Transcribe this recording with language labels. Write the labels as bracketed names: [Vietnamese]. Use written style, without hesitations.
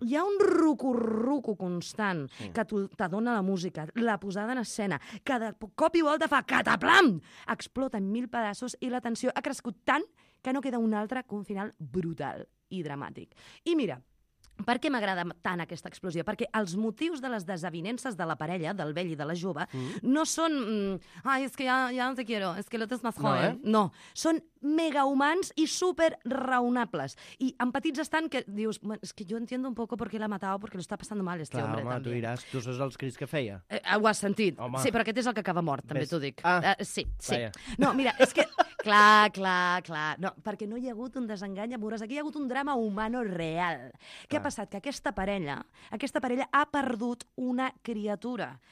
[Catalan] Hi ha un rucurrucu constant que t'adona la música, la posada en escena, que de cop i volta fa cataplam, explota en mil pedaços i la tensió ha crescut tant que no queda un altre que un final brutal i dramàtic. I mira, per què m'agrada tant aquesta explosió? Perquè els motius de les desavinences de la parella, del vell i de la jove, no són... [Spanish] Ay, es que ya no te quiero, es que lo tienes más joven. [Catalan] No, eh? No, són megahumans i super raonables. I empatitzes tant que dius, [Spanish] es que yo entiendo un poco por qué la ha matado, porque lo está pasando mal este [Catalan] clar, [Spanish] hombre. [Catalan] Home, tu diràs, tu saps els crits que feia. Ho has sentit. Home. Sí, però aquest és el que acaba mort, també t'ho dic. Ah, sí, sí. Vaya. No, mira, és que... Clar, clar, clar. No, perquè no hi ha hagut un desengany amorós. Aquí hi ha hagut un drama [Spanish] humano [Catalan] real. Què ha passat? Que aquesta parella ha perdut una criatura.